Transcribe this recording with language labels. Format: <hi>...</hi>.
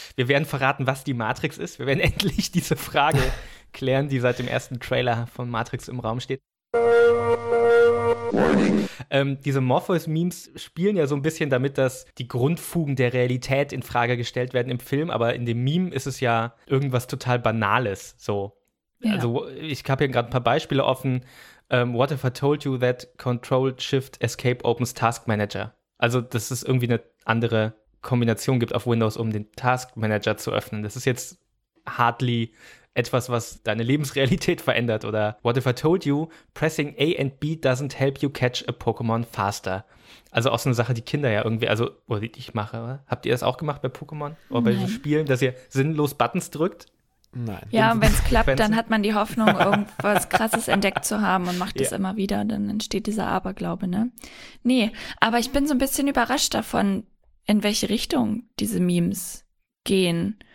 <de>Wir werden verraten, was die Matrix ist. Wir werden endlich diese Frage klären, die seit dem ersten Trailer von Matrix im Raum steht. Diese Morpheus-Memes spielen ja so ein bisschen damit, dass die Grundfugen der Realität in Frage gestellt werden im Film. Aber in dem Meme ist es ja irgendwas total Banales. So. Ja. Also ich habe hier gerade ein paar Beispiele offen.</de> <en>What if I told you that Control-Shift-Escape opens Task Manager?</en> <de>Also, dass es irgendwie eine andere Kombination gibt auf Windows, um den Task Manager zu öffnen. Das ist jetzt hardly etwas, was deine Lebensrealität verändert.</de> <en>Oder what if I told you, pressing A and B doesn't help you catch a Pokémon faster?</en> <de>Also auch so eine Sache, die Kinder ja irgendwie, also, oder die ich mache, oder? Habt ihr das auch gemacht bei Pokémon? Oder bei diesen Spielen, dass ihr sinnlos Buttons drückt? Nein. Ja, und wenn es klappt, dann hat man die Hoffnung, irgendwas Krasses entdeckt zu haben und macht es immer wieder. Und dann entsteht dieser Aberglaube, ne? Nee, aber ich bin so ein bisschen überrascht davon, in welche Richtung diese Memes gehen.</de>